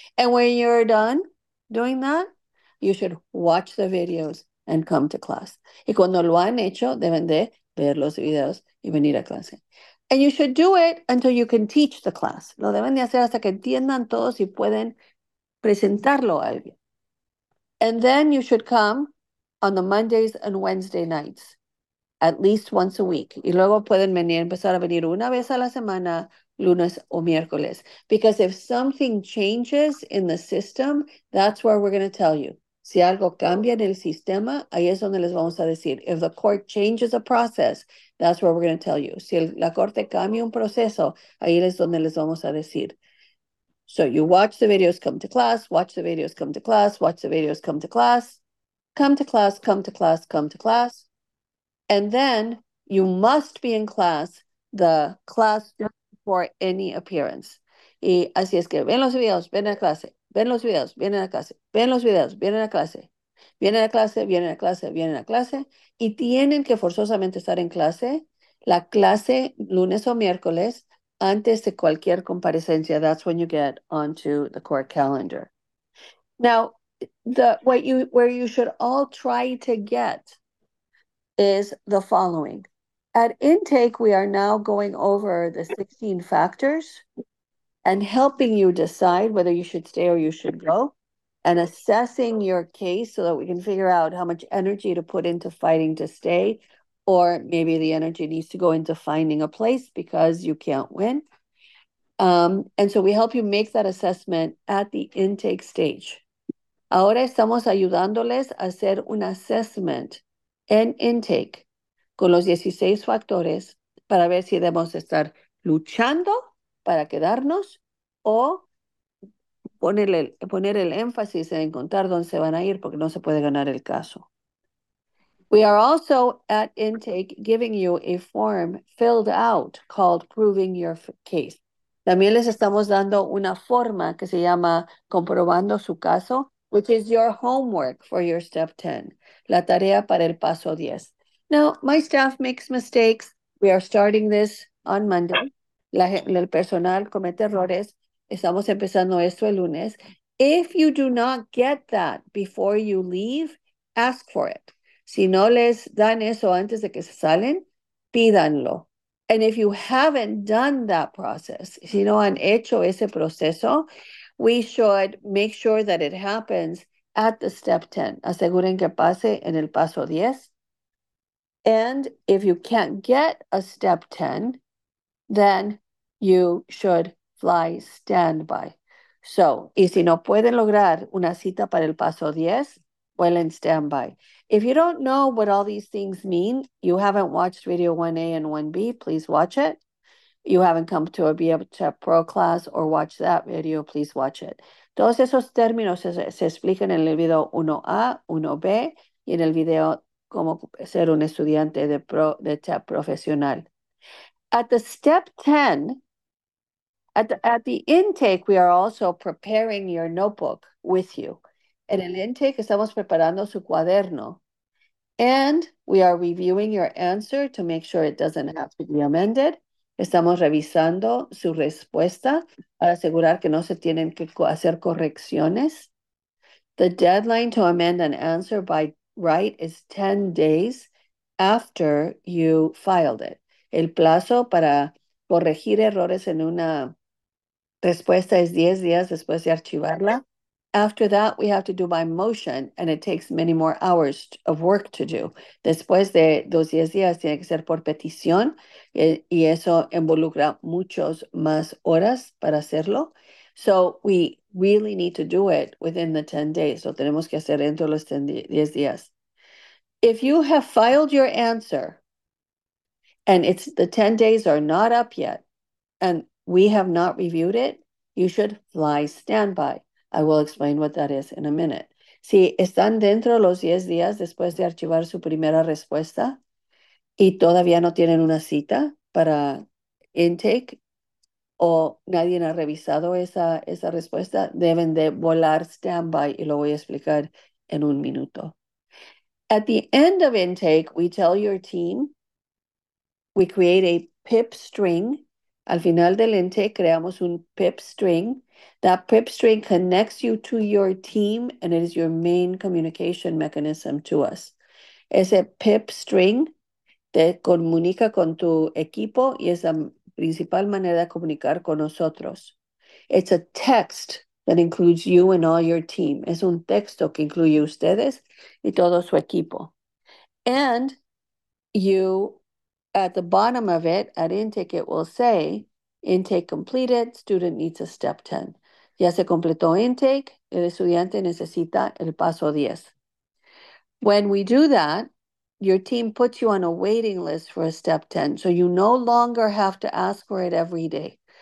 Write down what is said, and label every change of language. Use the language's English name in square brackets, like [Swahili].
[English] And when you're done doing that, you should watch the videos and come to class. [Spanish] Y cuando lo han hecho, deben de ver los videos y venir a clase. [English] And you should do it until you can teach the class. [Spanish] Lo deben de hacer hasta que entiendan todos y pueden presentarlo a alguien. [English] And then you should come on the Mondays and Wednesday nights, at least once a week. [Spanish] Y luego pueden venir, empezar a venir una vez a la semana, lunes o miércoles. [English] Because if something changes in the system, that's where we're going to tell you. [Spanish] Si algo cambia en el sistema, ahí es donde les vamos a decir. [English] If the court changes a process, that's where we're going to tell you. [Spanish] Si la corte cambia un proceso, ahí es donde les vamos a decir. [English] So you watch the videos, come to class, watch the videos, come to class, watch the videos, come to class, come to class, come to class, come to class. And then you must be in class the class just before any appearance. [Spanish] Y así es que ven los videos, vienen a clase, ven los videos, vienen a clase, ven los videos, vienen a clase. Vienen a clase, vienen a clase, vienen a clase y tienen que forzosamente estar en clase, la clase lunes o miércoles antes de cualquier comparecencia. [English] That's when you get onto the core calendar. Now, where you should all try to get is the following. At intake, we are now going over the 16 factors and helping you decide whether you should stay or you should go, and assessing your case so that we can figure out how much energy to put into fighting to stay, or maybe the energy needs to go into finding a place because you can't win. And so we help you make that assessment at the intake stage. [Spanish] Ahora estamos ayudándoles a hacer un assessment en intake con los 16 factores para ver si debemos estar luchando para quedarnos o poner el énfasis en encontrar dónde se van a ir porque no se puede ganar el caso. [English] We are also at intake giving you a form filled out called Proving Your Case. [Spanish] También les estamos dando una forma que se llama Comprobando su caso, [English] which is your homework for your step 10, [Spanish] la tarea para el paso 10. [English] Now, my staff makes mistakes. We are starting this on Monday. [Spanish] El personal comete errores. Estamos empezando esto el lunes. [English] If you do not get that before you leave, ask for it. [Spanish] Si no les dan eso antes de que se salen, pídanlo. [English] And if you haven't done that process, [Spanish] si no han hecho ese proceso, [English] we should make sure that it happens at the step 10. [Spanish] Aseguren que pase en el paso 10. [English] And if you can't get a step 10, then you should fly standby. [Spanish] So, y si no pueden lograr una cita para el paso 10, vuelen standby. [English] If you don't know what all these things mean, you haven't watched video 1A and 1B, please watch it. You haven't come to a BHP Pro class or watched that video, please watch it. [Spanish] Todos esos términos se explican en el video 1A, 1B y en el video cómo ser un estudiante de TEP profesional. [English] At the step 10, at the intake, we are also preparing your notebook with you. [Spanish] En el intake, estamos preparando su cuaderno. [English] And we are reviewing your answer to make sure it doesn't have to be amended. [Spanish] Estamos revisando su respuesta para asegurar que no se tienen que hacer correcciones. [English] The deadline to amend an answer by right is 10 days after you filed it. [Spanish] El plazo para corregir errores en una respuesta es 10 días después de archivarla. [English] After that, we have to do by motion, and it takes many more hours of work to do. [Spanish] Después de 2 días, tiene que ser por petición, y eso involucra muchas más horas para hacerlo. [English] So we really need to do it within the 10 days. [Spanish] Lo tenemos que hacer dentro de los 10 días. [English] If you have filed your answer, and it's the 10 days are not up yet, and we have not reviewed it, you should fly standby. I will explain what that is in a minute. [Spanish] Si están dentro de los 10 días después de archivar su primera respuesta y todavía no tienen una cita para intake o nadie ha revisado esa respuesta, deben de volar standby y lo voy a explicar en un minuto. [English] At the end of intake, we tell your team, we create a pip string. [Spanish] Al final del intake, creamos un pip string. [English] That pip string connects you to your team and it is your main communication mechanism to us. [Spanish] Ese pip string te comunica con tu equipo y es la principal manera de comunicar con nosotros. [English] It's a text that includes you and all your team. [Spanish] Es un texto que incluye ustedes y todo su equipo. [English] And you, at the bottom of it, at intake, it will say, intake completed, student needs a step 10. [Spanish] Ya se completó intake, el estudiante necesita el paso 10. [English] When we do that, your team puts you on a waiting list for a step 10, so you no longer have to ask for it every day.